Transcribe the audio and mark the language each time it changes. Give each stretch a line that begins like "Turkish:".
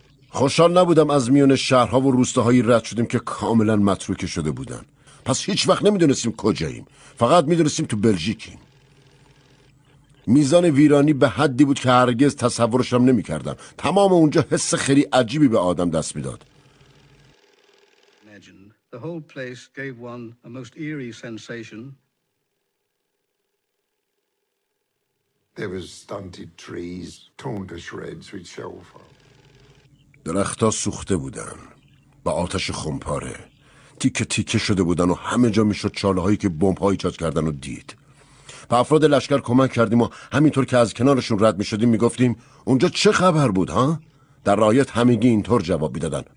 Persian: خوشحال نبودم از میون شهرها و روستاهایی رد شدیم که کاملا متروک شده بودن. پس هیچ وقت نمی دونستیم کجاییم، فقط می دونستیم تو بلژیکیم. میزان ویرانی به حدی بود که هرگز تصورشم نمی کردم. تمام اونجا حس خیلی عجیبی به آدم دست می داد.
English: The whole place gave one a most eerie sensation. There was stunted trees torn to shreds with shellfire.
Persian: درخت‌ها سوخته بودن با آتش خمپاره، تیکه تیکه شده بودن و همه جا میشد چاله‌هایی که بمب‌ها ایجاد کردن و دید. به افراد لشکر کمک کردیم و همینطور که از کنارشون رد می‌شدیم می‌گفتیم اونجا چه خبر بود ها؟ در رعایت همگی اینطور جواب می‌دادن.